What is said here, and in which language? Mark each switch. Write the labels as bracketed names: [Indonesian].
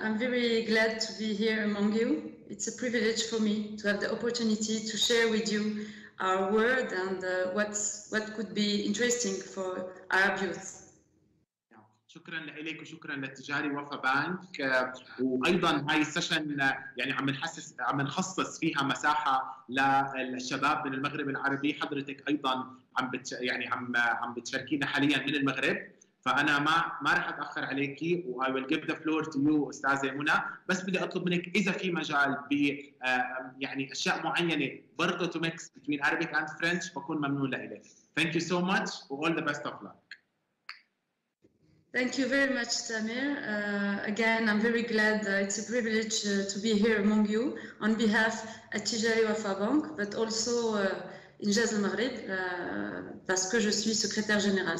[English] I'm very glad to be here among you. It's a privilege for me to have the opportunity to share with you our world and what could be interesting for Arab youth. [Arabic] شكرا لك وشكرا للتجاري وفا بنك، وايضا هاي السيشن يعني عم نخصص فيها مساحه للشباب من المغرب العربي، حضرتك ايضا عم بتشاركينا حاليا من المغرب، فانا ما راح اتاخر عليكي و [English] I will give the floor to you [Arabic] استاذه منى، بس بدي اطلب منك اذا في مجال ب يعني اشياء معينه برضه [English] to mix between Arabic and French [Arabic] بكون ممنون لك. [English] Thank you so much and all the best of luck. Thank you very much, Tamir. Again, I'm very glad. It's a privilege to be here among you on behalf of Tijari Wafa Bank, but also Injaz Al Maghrib, [French] parce que je suis secrétaire générale.